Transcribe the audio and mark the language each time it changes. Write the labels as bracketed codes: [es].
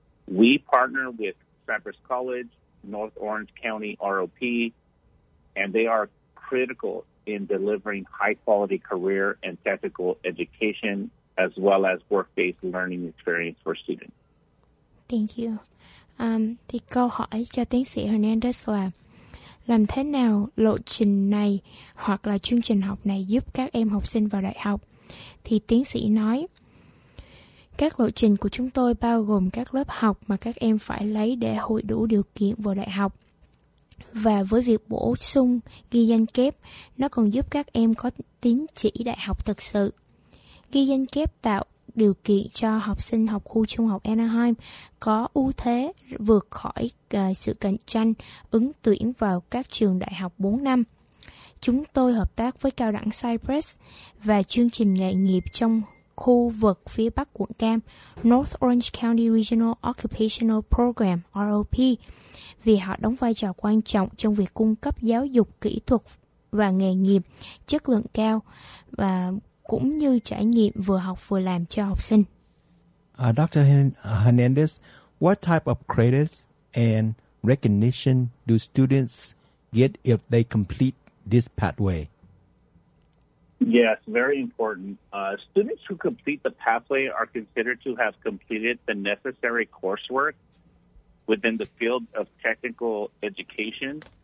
[en] We partner with Cypress College, North Orange County ROP, and they are critical in delivering high-quality career and technical education as well as work-based learning experience for students. Thank you. [vi] Thì câu hỏi cho tiến sĩ Hernandez là làm thế nào lộ trình này hoặc là chương trình học này giúp các em học sinh vào đại học? Thì tiến sĩ nói, các lộ trình của chúng tôi bao gồm các lớp học mà các em phải lấy để hội đủ điều kiện vào đại học. Và với việc bổ sung ghi danh kép, nó còn giúp các em có tín chỉ đại học thực sự. Ghi danh kép tạo điều kiện cho học sinh học khu trung học Anaheim có ưu thế vượt khỏi sự cạnh tranh ứng tuyển vào các trường đại học 4 năm. Chúng tôi hợp tác với cao đẳng Cypress và chương trình nghề nghiệp trong khu vực phía bắc quận Cam, North Orange County Regional Occupational Program, ROP, vì họ đóng vai trò quan trọng trong việc cung cấp giáo dục kỹ thuật và nghề nghiệp chất lượng cao và cũng như trải nghiệm vừa học vừa làm cho học sinh. [en] Dr. Hernandez, what type of credits and recognition do students get if they complete this pathway? Yes, very important. Students who complete the pathway are considered to have completed the necessary coursework within the field of technical education.